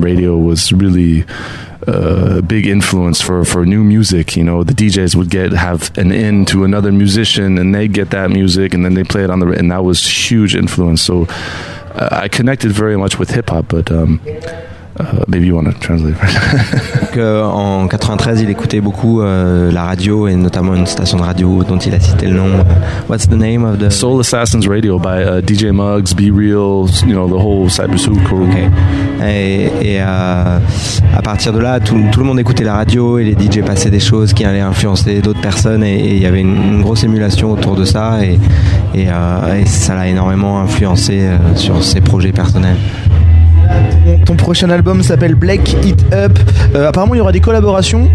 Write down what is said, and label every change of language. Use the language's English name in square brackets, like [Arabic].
[English] Radio was really a big influence for new music. You know, the DJs would have an in to another musician, and they'd get that music, and then they play it on the radio, and that was huge influence. So I connected very much with hip hop, but. Maybe you want to translate. [French] Donc, en 93, il écoutait beaucoup la radio et notamment une station de radio dont il a cité le nom. [English] What's the name of the Soul Assassins Radio by DJ Muggs, Be Real, you know, the whole Cybersoup crew. Okay. [French] Et à partir de là, tout le monde écoutait la radio et les DJ passaient des choses qui allaient influencer d'autres personnes et il y avait une grosse émulation autour de ça et ça l'a énormément influencé sur ses projets personnels. Ton prochain album s'appelle Black It Up. Apparemment, il y aura des collaborations.